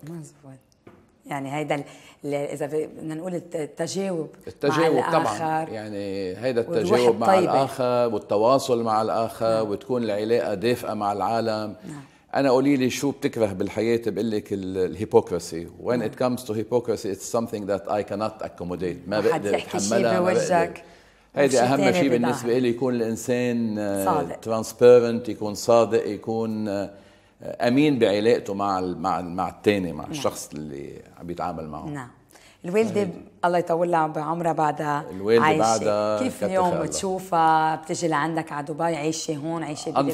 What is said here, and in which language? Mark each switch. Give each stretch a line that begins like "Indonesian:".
Arabic: مزبوط، يعني هيدا إذا بدنا نقول التجاوب، التجاوب مع الآخر طبعاً. يعني هيدا التجاوب مع الآخر والتواصل مع الآخر. وتكون العلاقة دافئة مع العالم. أنا قولي لي شو بتكره بالحياة، بقلك الهيبوكراسي.
English: When it comes to hypocrisy, it's something that I cannot accommodate.
Arabic: ما بقدر أتحملها. هذه أهم شيء بالنسبة لي، يكون الإنسان صادق، transparent، يكون صادق، يكون أمين بعلاقته مع مع مع التاني، مع الشخص اللي عم يتعامل معه. الوالدة الله يطولها بعمرها بعدها عايشة، كيف اليوم تشوفها بتجي لعندك على دبي؟ عايشة هون، عايشة بلبنان؟